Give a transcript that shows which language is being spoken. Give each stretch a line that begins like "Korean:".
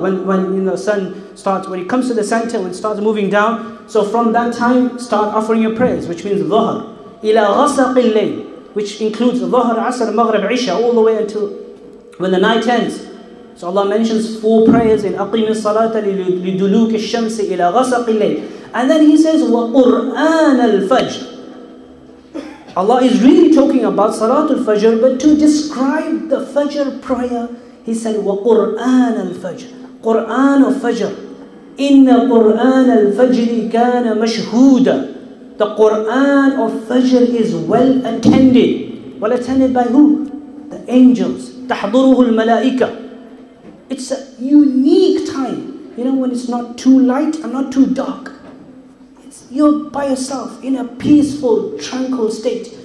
English: When you know, sun starts, when it comes to the center, when it starts moving down. So from that time, start offering your prayers, which means ظهر.
Arabic: إلى غسق الليل,
English: which includes ظهر, عصر, مغرب, عشاء, all the way until when the night ends. So Allah mentions four prayers in
Arabic: أقيم الصلاة لدلوك الشمس إلى غسق الليل.
English: And then He says
Arabic: وقرآن الفجر.
English: Allah is really talking about Salatul Fajr, but to describe the Fajr prayer, He said وقرآن الفجر. Quran of Fajr.
Arabic: إن قرآن الفجر كان مشهودا.
English: The Quran of Fajr is well attended. Well attended by who? The angels.
Arabic: تحضره الملائكة.
English: It's a unique time. You know, when it's not too light and not too dark. It's, you're by yourself in a peaceful, tranquil state.